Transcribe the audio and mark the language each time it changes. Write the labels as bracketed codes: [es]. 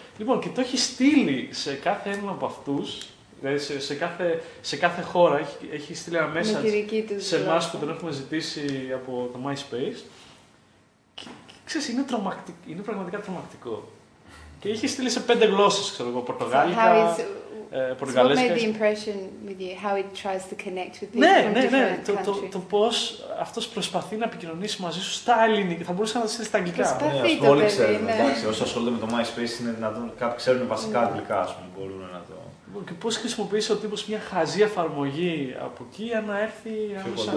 [el] Λοιπόν, και το έχει στείλει σε κάθε έναν από αυτούς, δηλαδή σε κάθε χώρα, έχει στείλει ένα message σε εμάς που τον έχουμε ζητήσει από το MySpace. Και ξέρεις, είναι πραγματικά τρομακτικό. Και είχε στείλει σε πέντε γλώσσες, ξέρω εγώ, πορτογάλικα, πορτογαλέσκα. [en] What made the impression with you, how it tries to connect with people from different countries. [el] Το πώς αυτός προσπαθεί να επικοινωνήσει μαζί σου στα ελληνικά, θα μπορούσε να τα στείλει στα αγγλικά. Προσπαθεί το παιδί, εντάξει, όσοι ασχολούνται με το MySpace είναι δυνατόν, κάποιοι ξέρουν βασικά αγγλικά, ας πούμε, μπορούν να το... Και πώς χρησιμοποιείς ο τύπος μια χαζή εφαρμογή από εκεί για να έρθει άμεσα.